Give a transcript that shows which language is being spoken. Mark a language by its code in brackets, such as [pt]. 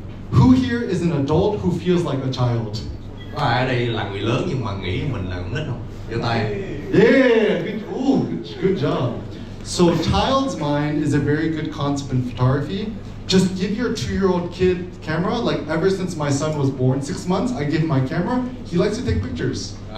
[en] Who here is an adult who feels like a child? [vi] Ai ở đây là người lớn nhưng mà nghĩ mình là con nít không? Giơ tay. [en] Yeah. Good job. So child's mind is a very good concept in photography. Just give your 2-year-old kid camera. Like ever since my son was born, 6 months, I give him my camera. He likes to take pictures.